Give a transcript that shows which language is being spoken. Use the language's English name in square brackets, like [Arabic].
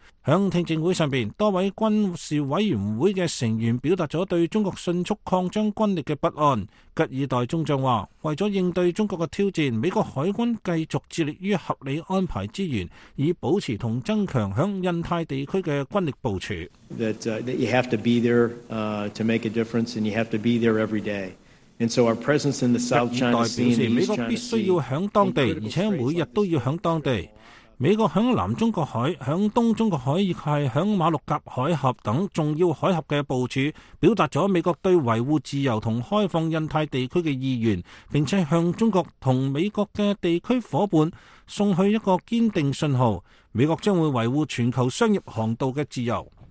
[Chinese] 在听证会上，多位军事委员会的成员表达了对中国迅速扩张军力的不安。吉尔代中将说，为了应对中国的挑战，美国海军继续致力于合理安排资源，以保持和增强在印太地区的军力部署。 [English] That you have to be there to make a difference, and you have to be there every day. And so our presence in the South China Sea, [Chinese] 表示美国必须要在当地，而且每日都要在当地。美国在南中国海、在东中国海以及在马六甲海峡等重要海峡的部署，表达了美国对维护自由和开放印太地区的意愿，并且向中国和美国的地区伙伴送去一个坚定信号，美国将会维护全球商业航道的自由。